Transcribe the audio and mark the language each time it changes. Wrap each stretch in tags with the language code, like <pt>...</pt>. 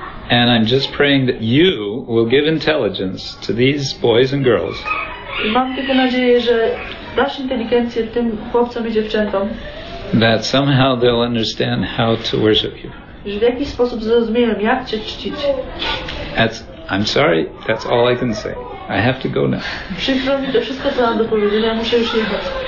<en>And I'm just praying that you will give intelligence to these boys and girls.</en> <pl>I mam tylko nadzieję, że dasz inteligencję tym chłopcom i dziewczętom.</pl> <en>That somehow they'll understand how to worship you.</en> <pl>W jaki sposób zrozumiałem, jak cię czcić.</pl> <en>I'm sorry, that's all I can say. I have to go now.</en> <pl>Przykro mi, to wszystko, co mam do powiedzenia, muszę już jechać.</pl>